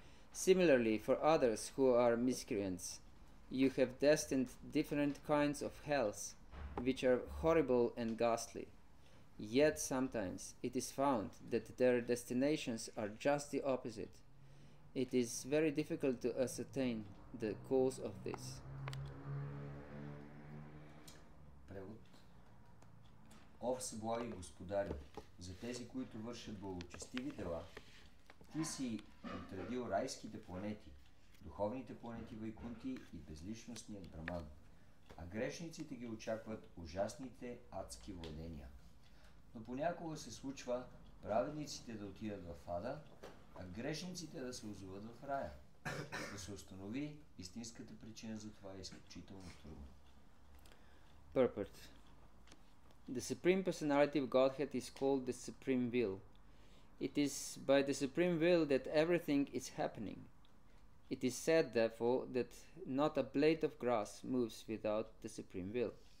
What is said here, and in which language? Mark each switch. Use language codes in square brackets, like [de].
[en] Similarly, for others who are miscreants, you have destined different kinds of hells, which are horrible and ghastly. Yet sometimes it is found that their destinations are just the opposite. It is very difficult to ascertain the cause of this. [bg] Превод. О, всеблаги господари, за тези, които вършат благочестиви дела, ти си отредил райските планети, духовните планети Вайкунти и безличностният Браман, а грешниците ги очакват ужасните адски владения. Но понякога се случва праведниците да отидат в ада, а грешниците да се озоват в рая. Да се установи истинската причина за това е изключително трудно. [en] Purport. The Supreme Personality of Godhead is called the Supreme Will. It is by the Supreme Will that everything is happening. It is said, therefore, that not a blade of grass moves without the Supreme Will.